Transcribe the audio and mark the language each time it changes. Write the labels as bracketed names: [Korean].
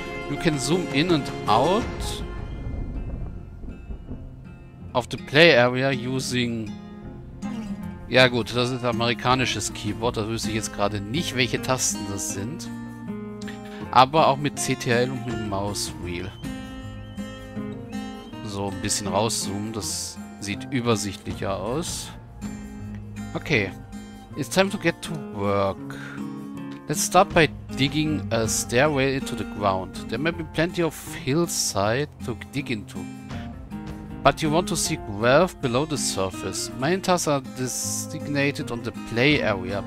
[English] You can zoom in and out of the play area using. [German] Ja gut, das ist amerikanisches Keyboard. Da wüsste ich jetzt gerade nicht, welche Tasten das sind. Aber auch mit CTRL und mit dem Mouse-Wheel. So ein bisschen rauszoomen, das sieht übersichtlicher aus. [English] Okay. It's time to get to work. Let's start by digging a stairway into the ground. There may be plenty of hillside to dig into. But you want to seek wealth below the surface. Mine tasks are designated on the play area.